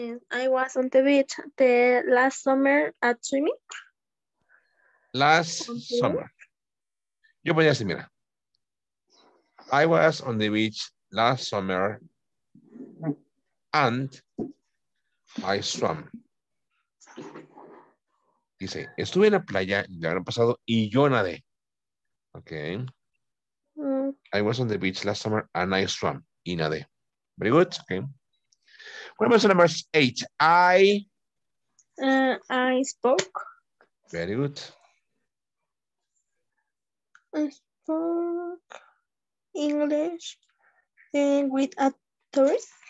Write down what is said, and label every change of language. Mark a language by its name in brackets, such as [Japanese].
[English] I was on the beach the last summer at swimming. Last summer. [Spanish] Yo voy a decir, mira. [English] I was on the beach last summer and I swam. [Spanish] Dice, estuve en la playa el año pasado y yo nadé. [English] Okay. I was on the beach last summer and I swam. [Spanish] Y nadé. [English] Very good. Okay. What about number eight? I spoke. Very good. I spoke English with a tourist.